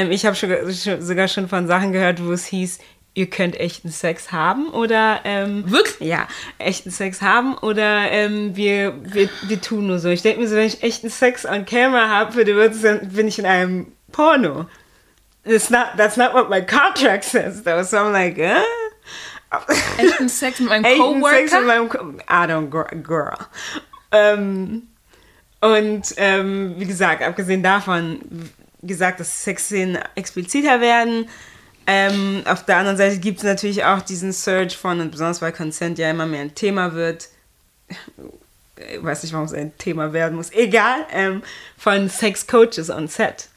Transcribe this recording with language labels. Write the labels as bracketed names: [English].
[German] Ich habe sogar schon von Sachen gehört, wo es hieß, ihr könnt echten Sex haben oder wirklich? Ja, echten Sex haben oder wir tun nur so. Ich denke mir so, wenn ich echten Sex [English] on camera [German] habe, bin ich in einem Porno. [English] That's not what my contract says though. So I'm like, [German] Echten Sex mit meinem Coworker? Echten Sex mit meinem [English] Girl. [German] Wie gesagt, abgesehen davon, dass Sexszenen expliziter werden. Auf der anderen Seite gibt es natürlich auch diesen Surge von, und besonders weil Consent ja immer mehr ein Thema wird, ich weiß nicht, warum es ein Thema werden muss, egal, von Sex-Coaches [English] on Set.